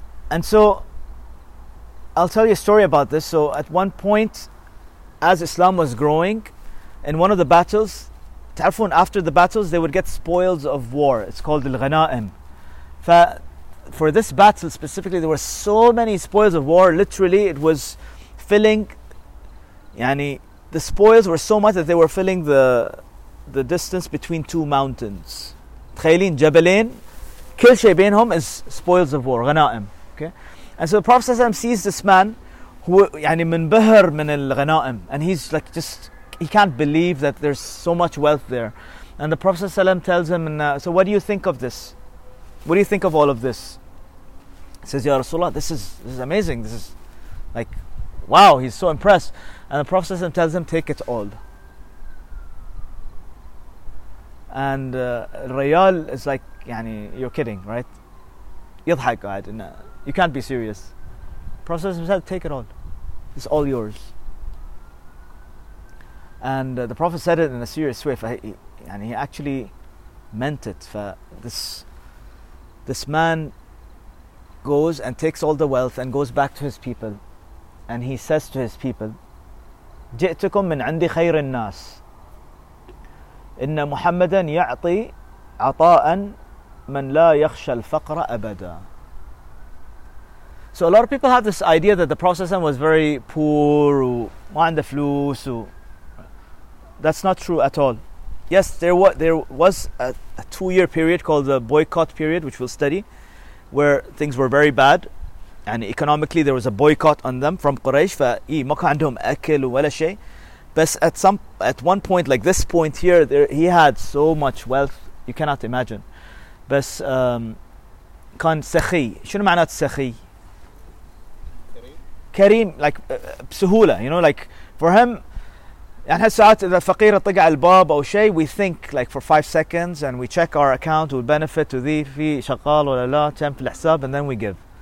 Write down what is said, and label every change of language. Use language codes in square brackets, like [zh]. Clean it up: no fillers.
[en] And so, I'll tell you a story about this. So at one point, as Islam was growing, in one of the battles, [ar] تعرفون, [en] after the battles, they would get spoils of war. It's called الغنائم. For this battle specifically, there were so many spoils of war. Literally, it was filling, يعني, the spoils were so much that they were filling the distance between two mountains. [ar] تخيلين جبلين, كل شيء بينهم [en] is spoils of war, [ar] غنائم. [en] Okay, and so the Prophet ﷺ sees this man who [ar] يعني منبهر من الغنائم, [en] and he's like just he can't believe that there's so much wealth there, and the Prophet ﷺ tells him, so what do you think of this? What do you think of all of this? He says, Ya Rasulullah, this is amazing. This is like, wow, he's so impressed. And the Prophet ﷺ tells him, take it all. And Rayal is like, yani, you're kidding, right? [ar] يضحك, [en] you can't be serious. Prophet ﷺ said, take it all. It's all yours. And the Prophet said it in a serious way. And he actually meant it. This man goes and takes all the wealth and goes back to his people. And he says to his people, [ar] جئتكم من عندي خير الناس إن محمدا يعطي عطاء من لا يخشى الفقر أبدا. [en] So a lot of people have this idea that the Prophet was very poor, [ar] ما عنده فلوس. [en] That's not true at all. Yes, there was a 2-year period called the boycott period, which we'll study, where things were very bad, and economically there was a boycott on them from Quraysh. [ar] فإي ما كان عندهم أكل ولا شيء. [en] But at one point, like this point here, he had so much wealth you cannot imagine. [ar] بس كان سخي. شنو معنات سخي؟ كريم. [en] Like [ar] بسهولة, [en] you know, like for him. And has saat the faqir [ar] طقع الباب أو شيء, [en] we think like for 5 seconds and we check our account, we benefit to the [ar] في شقال ولا لا تم في الحساب, [en] and then we give.